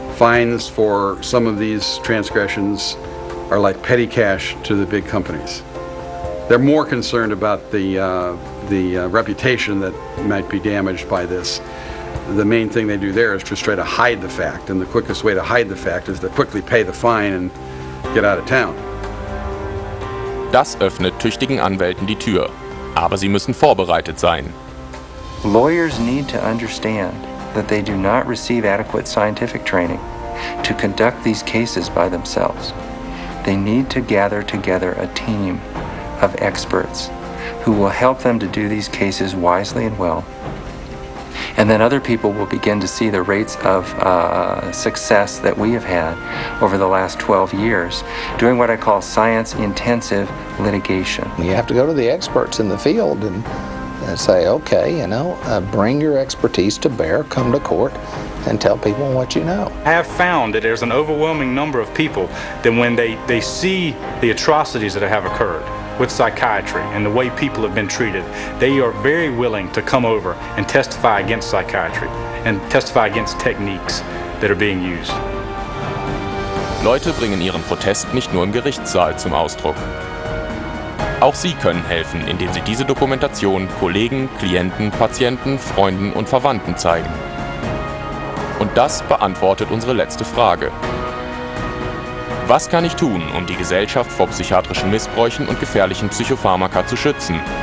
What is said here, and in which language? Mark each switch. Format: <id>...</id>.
<en>Fines for some of these transgressions are like petty cash to the big companies. They're more concerned about the reputation that might be damaged by this. The main thing they do there is just try to hide the fact, and the quickest way to hide the fact is to quickly pay the fine and get out of town.</en> <de>Das öffnet tüchtigen Anwälten die Tür, aber sie müssen vorbereitet sein.</de> <en>Lawyers need to understand that they do not receive adequate scientific training to conduct these cases by themselves. They need to gather together a team of experts who will help them to do these cases wisely and well. And then other people will begin to see the rates of success that we have had over the last 12 years doing what I call science-intensive litigation. You have to go to the experts in the field and say, okay, you know, bring your expertise to bear, come to court, and tell people what you know. I have found that there's an overwhelming number of people that when they see the atrocities that have occurred with psychiatry and the way people have been treated, they are very willing to come over and testify against psychiatry and testify against techniques that are being used.</en> <de>Leute bringen ihren Protest nicht nur im Gerichtssaal zum Ausdruck. Auch Sie können helfen, indem Sie diese Dokumentation Kollegen, Klienten, Patienten, Freunden und Verwandten zeigen. Und das beantwortet unsere letzte Frage. Was kann ich tun, um die Gesellschaft vor psychiatrischen Missbräuchen und gefährlichen Psychopharmaka zu schützen?</de>